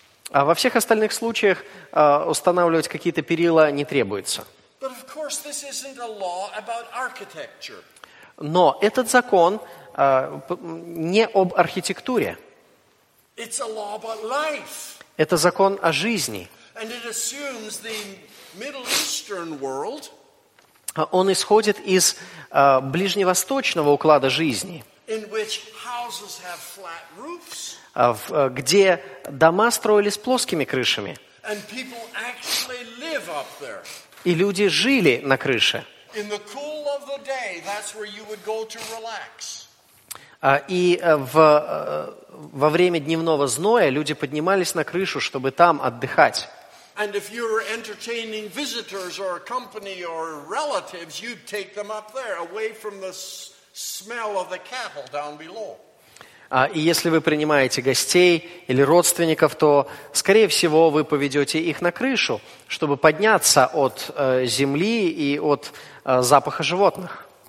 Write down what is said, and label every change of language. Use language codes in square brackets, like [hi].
[ru] А во всех остальных случаях устанавливать какие-то перила не требуется. [en] But of course, this isn't a law about architecture. [ru] Но этот закон не об архитектуре. [en] It's a law about life. [ru] Это закон о жизни. [en] And it assumes the Middle Eastern world. [ru] Он исходит из ближневосточного уклада жизни. [en] In which houses have flat roofs. [ru] Где дома строили с плоскими крышами. [en] And people actually live up there. [ru] И люди жили на крыше. [en] In the cool of the day, that's where you would go to relax. [ru] И во время дневного зноя люди поднимались на крышу, чтобы там отдыхать. [en] And if you were entertaining visitors or company or relatives, you'd take them up there, away from the smell of the cattle down below. [ru] И если вы принимаете гостей или родственников, то, скорее всего, вы поведете их на крышу, чтобы подняться от земли и от запаха животных.